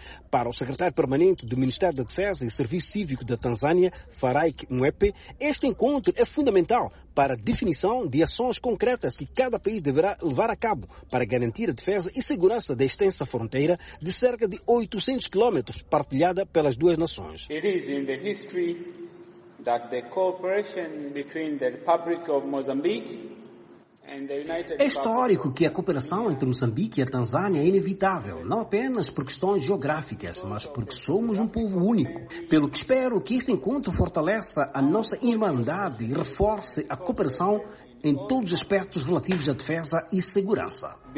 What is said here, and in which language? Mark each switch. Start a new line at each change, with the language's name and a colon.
Portuguese: Para o secretário permanente do Ministério da Defesa e Serviço Cívico da Tanzânia, Faraik Mwepe, este encontro é fundamental para a definição de ações concretas que cada país deverá levar a cabo para garantir a defesa e segurança da extensa fronteira de cerca de 800 quilômetros partilhada pelas duas nações.
English: It is in the history that the cooperation between the Republic of Mozambique.
Portuguese: É histórico que a cooperação entre Moçambique e a Tanzânia é inevitável, não apenas por questões geográficas, mas porque somos um povo único. Pelo que espero que este encontro fortaleça a nossa irmandade e reforce a cooperação em todos os aspectos relativos à defesa e segurança.